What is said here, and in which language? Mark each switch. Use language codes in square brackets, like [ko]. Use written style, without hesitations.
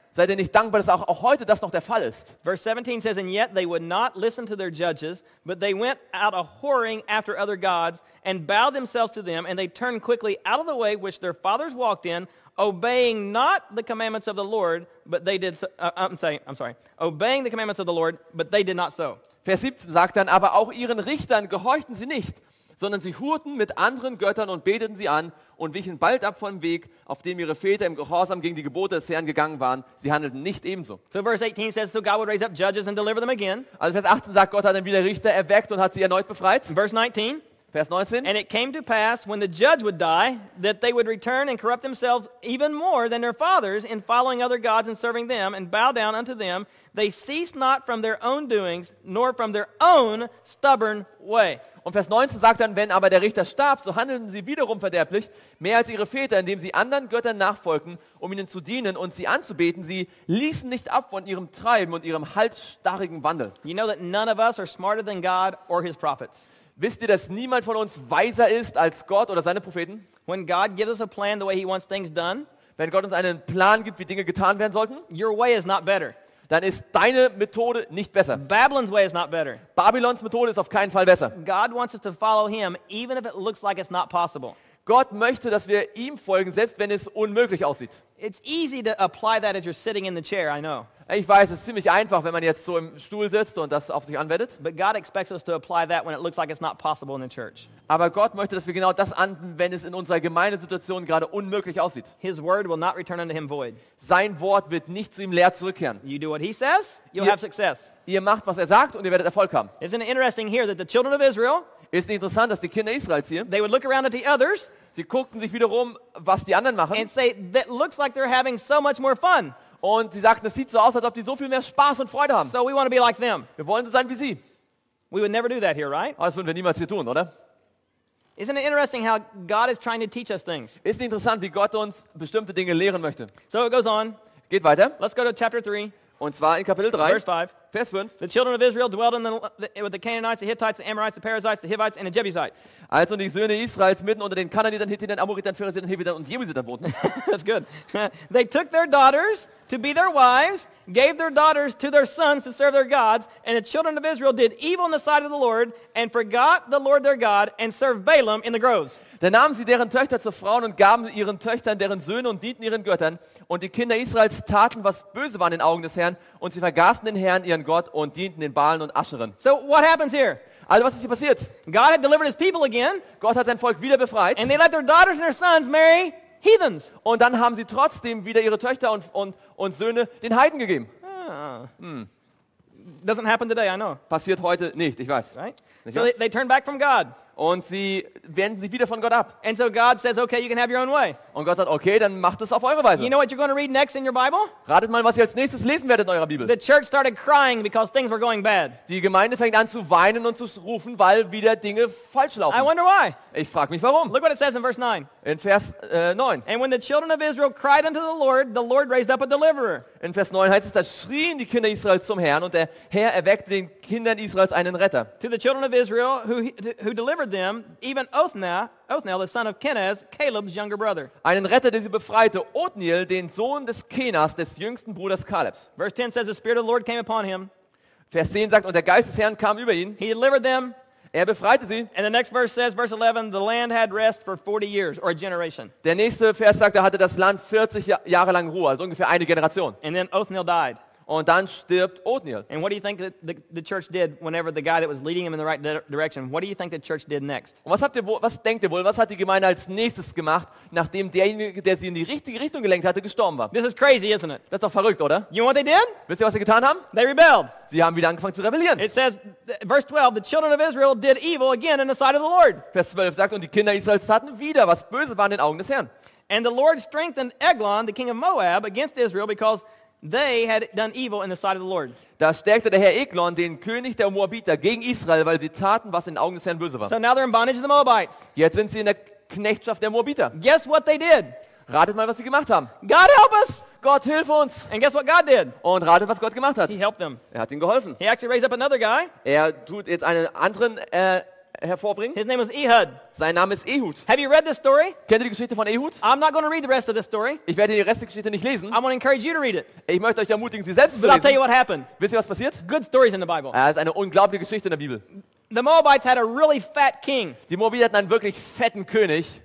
[de] Seid ihr nicht dankbar, dass auch heute das noch der Fall ist? [en] Verse 17 says, and yet they would not listen to their judges, but they went out a whoring after other gods and bowed themselves to them, and they turned quickly out of the way which their fathers walked in, obeying not the commandments of the Lord, but they did so. Obeying the commandments of the Lord, but they did not so. [de] Vers 17 sagt dann, aber auch ihren Richtern gehorchten sie nicht, sondern sie hurten mit anderen Göttern und beteten sie an und wichen bald ab vom Weg, auf dem ihre Väter im Gehorsam gegen die Gebote des Herrn gegangen waren. Sie handelten nicht ebenso. [en] So verse 18 says, so God would raise up judges and deliver them again. [de] Also Vers 18 sagt, Gott hat dann wieder Richter erweckt und hat sie erneut befreit. [en] Verse 19. [de] Vers 19. [en] And it came to pass, when the judge would die, that they would return and corrupt themselves even more than their fathers in following other gods and serving them and bow down unto them. They ceased not from their own doings, nor from their own stubborn way. [de] Und Vers 19 sagt dann, wenn aber der Richter starb, so handelten sie wiederum verderblich, mehr als ihre Väter, indem sie anderen Göttern nachfolgten, um ihnen zu dienen und sie anzubeten. Sie ließen nicht ab von ihrem Treiben und ihrem halsstarrigen Wandel. [en] You know that none of us are smarter than God or his prophets. [de] Wisst ihr, dass niemand von uns weiser ist als Gott oder seine Propheten? [en] When God gives us a plan the way he wants things done, [de] wenn Gott uns einen Plan gibt, wie Dinge getan werden sollten, [en] your way is not better. [de] Dann ist deine Methode nicht besser. [en] Babylon's way is not better. [de] Babylons Methode ist auf keinen Fall besser. [en] God wants us to follow him even if it looks like it's not possible. [de] Gott möchte, dass wir ihm folgen, selbst wenn es unmöglich aussieht. [en] It's easy to apply that as you're sitting in the chair, I know. [de] Ich weiß, es ist ziemlich einfach, wenn man jetzt so im Stuhl sitzt und das auf sich anwendet. [en] But God expects us to apply that when it looks like it's not possible in the church. [de] Aber Gott möchte, dass wir genau das anwenden, wenn es in unserer Gemeindesituation gerade unmöglich aussieht. [en] His word will not return unto him void. [de] Sein Wort wird nicht zu ihm leer zurückkehren. [en] You do what he says, you'll have success. [de] Ihr macht, was er sagt, und ihr werdet Erfolg haben. [en] Isn't it interesting here that the children of Israel, [de] ist nicht interessant, dass die Kinder Israels hier, [en] they would look around at the others, [de] sie guckten sich wiederum, was die anderen machen, [en] and say, that looks like they're having so much more fun. [de] Und sie sagten, es sieht so aus, als ob die so viel mehr Spaß und Freude haben. [en] So we want to be like them. [de] Wir wollen so sein wie sie. [en] We would never do that here, right? [de] Das würden wir niemals hier tun, oder? [en] Isn't it interesting how God is trying to teach us things? [de] Ist nicht interessant, wie Gott uns bestimmte Dinge lehren möchte? [en] So it goes on. [de] Geht weiter. [en] Let's go to chapter 3. [de] Und zwar in Kapitel 3, [en] Verse 5. [de] Vers 5. [en] The children of Israel dwelt in with the Canaanites, the Hittites, the Amorites, the Perizzites, the Hivites and the Jebusites. [de] Also die Söhne Israels mitten unter den Kanaanitern, Hittitern, Amoritern, Perizzitern, Hivitern und Jebusitern wohnten. [en] That's good. They took their daughters to be their wives, gave their daughters to their sons to serve their gods, and the children of Israel did evil in the sight of the Lord and forgot the Lord their God and served Balaam in the groves. [de] Da nahmen sie deren Töchter zu Frauen und gaben ihren Töchtern deren Söhne und dienten ihren Göttern. Und die Kinder Israels taten, was böse war in den Augen des Herrn. Und sie vergaßen den Herrn, ihren Gott, und dienten den Baalen und Ascheren. [en] So what happens here? [de] Also was ist hier passiert? [en] God had delivered his people again. [de] Gott hat sein Volk wieder befreit. [en] And they let their daughters and their sons marry heathens. [de] Und dann haben sie trotzdem wieder ihre Töchter und Söhne den Heiden gegeben. Ah. Hm. [en] Doesn't happen today, I know. [de] Passiert heute nicht, ich weiß. [en] Right? So they turn back from God. [de] Und sie wenden sich wieder von Gott ab. [en] And so God says, okay, you can have your own way. [de] Und Gott sagt, okay, dann macht es auf eure Weise. [en] You know what you're going to read next in your Bible? [de] Ratet mal, was ihr als nächstes lesen werdet in eurer Bibel. [en] The church started crying because things were going bad. [de] Die Gemeinde fängt an zu weinen und zu rufen, weil wieder Dinge falsch laufen. [en] I wonder why. [de] Ich frage mich, warum. [en] Look what it says in verse 9. [de] In Vers 9. [en] And when the children of Israel cried unto the Lord raised up a deliverer. [de] In Vers 9 heißt es, da schrien die Kinder Israels zum Herrn und der Herr erweckte den Kindern Israels einen Retter. [en] To the children of Israel who delivered them, even Othniel, the son of Kenaz, Caleb's younger brother. [de] Einen Retter, der sie befreite, Othniel, den Sohn des Kenas, des jüngsten Bruders Kalebs. [en] Verse 10 says, the Spirit of the Lord came upon him. [de] Vers 10 sagt, und der Geist des Herrn kam über ihn. [en] He delivered them. [de] Er befreite sie. [en] And the next verse says, verse 11, the land had rest for 40 years, or a generation. [de] Der nächste Vers sagt, er hatte das Land 40 Jahre lang Ruhe, also ungefähr eine Generation. [en] And then Othniel died. [de] Und dann stirbt Othniel. [en] And what do you think that the church did whenever the guy that was leading him in the right direction? What do you think the church did next? [de] Und was denkt ihr wohl, was hat die Gemeinde als nächstes gemacht, nachdem derjenige, der sie in die richtige Richtung gelenkt hatte, gestorben war? [en] This is crazy, isn't it? [de] Das ist doch verrückt, oder? [en] You know what they did? [de] Wisst ihr, was sie getan haben? [en] They rebelled. [de] Sie haben wieder angefangen zu rebellieren. [en] It says, verse 12, the children of Israel did evil again in the sight of the Lord. [de] Vers 12 sagt, und die Kinder Israels taten wieder, was böse war in den Augen des Herrn. [en] And the Lord strengthened Eglon, the king of Moab, against Israel, because they had done evil in the sight of the Lord. [de] Da stärkte der Herr Eglon den König der Moabiter gegen Israel, weil sie taten, was in den Augen des Herrn böse war. [en] So now they're in bondage to the Moabites. [de] Jetzt sind sie in der Knechtschaft der Moabiter. [en] Guess what they did? [de] Ratet mal, was sie gemacht haben. [en] God help us! [de] Gott hilf uns! [en] And guess what God did? [de] Und ratet, was Gott gemacht hat. [en] He helped them. [de] Er hat ihnen geholfen. [en] He actually raised up another guy. [de] Er tut jetzt einen anderen hervorbringen. [en] His name was Ehud. [de] Sein Name ist Ehud. [en] Have you read this story? [de] Kennt ihr die Geschichte von Ehud? [en] I'm not going to read the rest of this story. [de] Ich werde die restliche Geschichte nicht lesen. [en] I'm going to encourage you to read it. [de] Ich möchte euch ermutigen, sie selbst zu lesen. [en] But I'll tell you what happened. [de] Wisst ihr, was passiert? [en] Good stories in the Bible. [de] Es ist eine unglaubliche Geschichte in der Bibel. [en] The Moabites had a really fat king. [de] Die Moabiter hatten einen wirklich fetten König.